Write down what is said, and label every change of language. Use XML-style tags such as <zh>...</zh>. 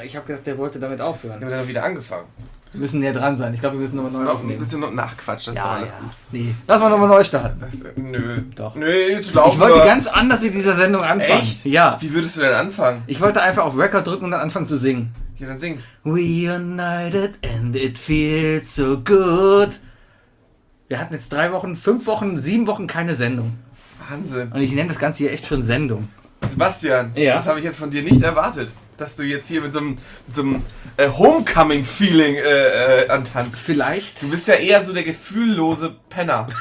<de>Ich habe gedacht, der wollte damit aufhören. Ja, dann wieder angefangen. Wir müssen näher dran sein. Ich glaube, wir müssen nochmal neu aufnehmen. Ein bisschen nachquatschen, das ist doch alles gut. Nee. Lass mal nochmal neu starten. Nö. Doch. Nö, jetzt laufen Ich wollte ganz anders mit dieser Sendung anfangen. Echt? Ja. Wie würdest du denn anfangen? Ich wollte einfach auf Record drücken und dann anfangen zu singen. Ja, dann singen.</de> <en>We united and it feels so good.</en> <de>Wir hatten jetzt 3 Wochen, 5 Wochen, 7 Wochen keine Sendung. Wahnsinn. Und ich nenne das Ganze hier echt schon Sendung. Sebastian, ja? Das habe ich jetzt von dir nicht erwartet. Dass du jetzt hier mit so einem Homecoming-Feeling antanzt. Vielleicht. Du bist ja eher so der gefühllose Penner.</de>